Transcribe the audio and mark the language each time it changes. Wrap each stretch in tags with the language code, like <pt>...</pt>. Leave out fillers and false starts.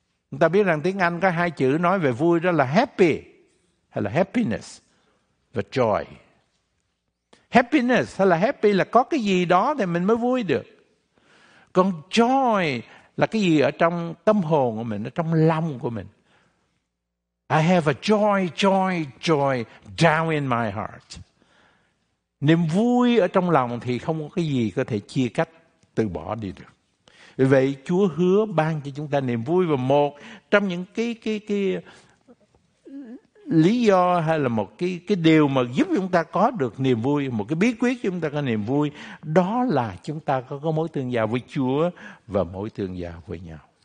<vi>Chúng ta biết rằng tiếng Anh có hai chữ nói về vui, đó là happy hay là happiness và joy. Happiness hay là happy là có cái gì đó thì mình mới vui được. Còn joy là cái gì ở trong tâm hồn của mình, ở trong lòng của mình.</vi> <en>I have a joy, joy, joy down in my heart.</en> <vi>Niềm vui ở trong lòng thì không có cái gì có thể chia cách, từ bỏ đi được. Vì vậy Chúa hứa ban cho chúng ta niềm vui. Và một trong những cái lý do hay là một cái điều mà giúp chúng ta có được niềm vui, một cái bí quyết chúng ta có niềm vui, đó là chúng ta có mối tương giao với Chúa và mối tương giao với nhau.</vi>